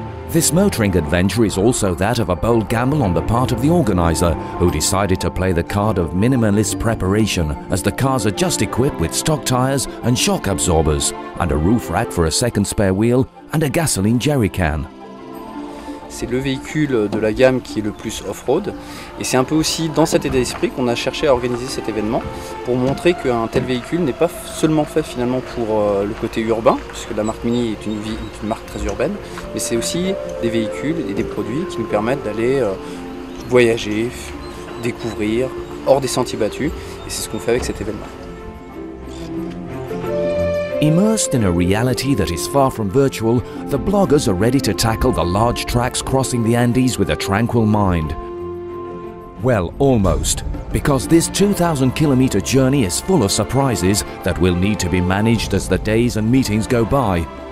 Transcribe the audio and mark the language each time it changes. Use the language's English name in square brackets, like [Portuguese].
[English] This motoring adventure is also that of a bold gamble on the part of the organizer, who decided to play the card of minimalist preparation, as the cars are just equipped with stock tires and shock absorbers, and a roof rack for a second spare wheel and a gasoline jerry can. [French] C'est le véhicule de la gamme qui est le plus off-road, et c'est un peu aussi dans cet état d'esprit qu'on a cherché à organiser cet événement pour montrer qu'un tel véhicule n'est pas seulement fait finalement pour le côté urbain, puisque la marque Mini est une marque très urbaine, mais c'est aussi des véhicules et des produits qui nous permettent d'aller voyager, découvrir hors des sentiers battus, et c'est ce qu'on fait avec cet événement. [English] Immersed in a reality that is far from virtual, the bloggers are ready to tackle the large tracks crossing the Andes with a tranquil mind. Well, almost, because this 2,000-kilometer journey is full of surprises that will need to be managed as the days and meetings go by.